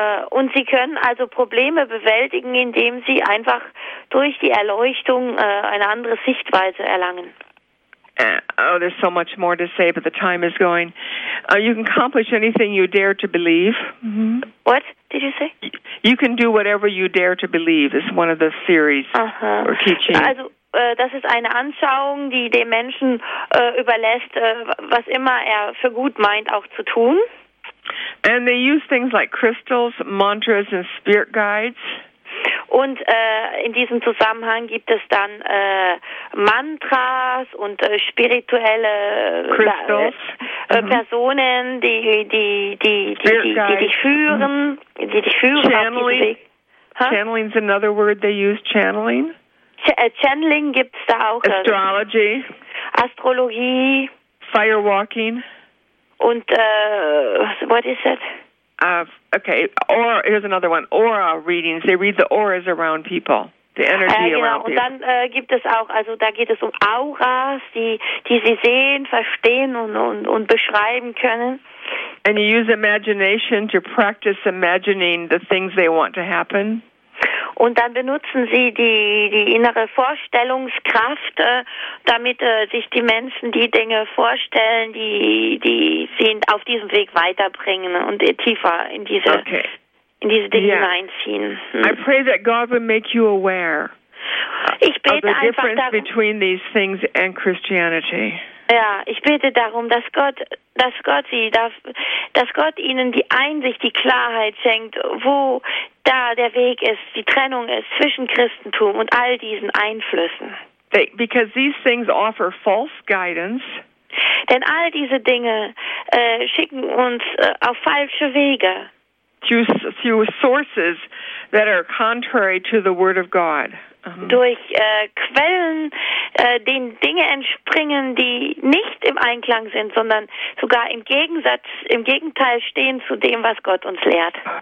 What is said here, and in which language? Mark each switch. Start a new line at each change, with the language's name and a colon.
German: Und sie können also Probleme bewältigen, indem sie einfach durch die Erleuchtung eine andere Sichtweise erlangen.
English: Oh, there's so much more to say, but the time is going. You can accomplish anything you dare to believe. Mm-hmm. What did you say? You can do whatever you dare to believe is one of the theories or teaching.
German: Also, das ist eine Anschauung, die dem Menschen überlässt, was immer er für gut meint, auch zu tun.
English: And they use things like crystals, mantras, and spirit guides.
German: Und in diesem Zusammenhang gibt es dann Mantras und spirituelle
English: crystals.
German: Personen, die dich führen, die dich führen
English: channeling,
German: auf diesem Weg.
English: Huh? Channeling's another word they use, channeling?
German: Channeling gibt's da auch.
English: Astrology.
German: Astrologie.
English: Firewalking. Und what is it? Okay, aura, here's another one. Aura readings. They read the auras around people. The energy
German: genau.
English: around people.
German: Und dann gibt es auch, also da geht es um Auras, die sie sehen, verstehen und beschreiben können.
English: And you use imagination to practice imagining the things they want to happen.
German: Und dann benutzen sie die innere Vorstellungskraft, damit sich die Menschen die Dinge vorstellen, die sie auf diesem Weg weiterbringen und tiefer in diese,
English: okay.
German: in diese Dinge hineinziehen.
English: I pray that God will make you aware
German: ich bete
English: of the difference between these things and Christianity.
German: Ja, ich bete darum, dass Gott ihnen die Einsicht, die Klarheit schenkt, wo da der Weg ist, die Trennung ist zwischen Christentum und all diesen Einflüssen.
English: Because these things offer false guidance.
German: Denn all diese Dinge schicken uns auf falsche Wege.
English: Through sources that are contrary to the Word of God.
German: Durch Quellen, denen Dinge entspringen, die nicht im Einklang sind, sondern sogar im Gegenteil stehen zu dem, was Gott uns lehrt.